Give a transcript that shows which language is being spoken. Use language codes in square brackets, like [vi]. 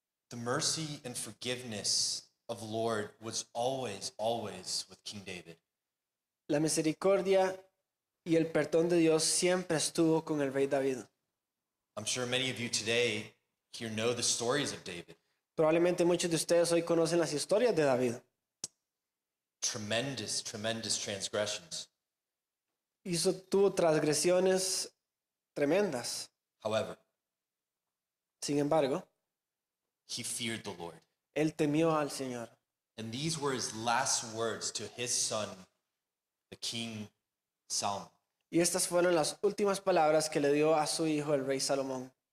[en] The mercy and forgiveness of the Lord was always, always with King David. [es] La misericordia y el perdón de Dios siempre estuvo con el rey David. [en] I'm sure many of you today here know the stories of David. [es] Probablemente muchos de ustedes hoy conocen las historias de David. [en] Tremendous, tremendous transgressions. [es] Tuvo transgresiones tremendas. [en] However, [es] sin embargo, [en] he feared the Lord. [es] Él temió al Señor. [en] And these were his last words to his son, the King Solomon. [es] Y estas fueron las últimas palabras que le dio a su hijo, el rey Salomón.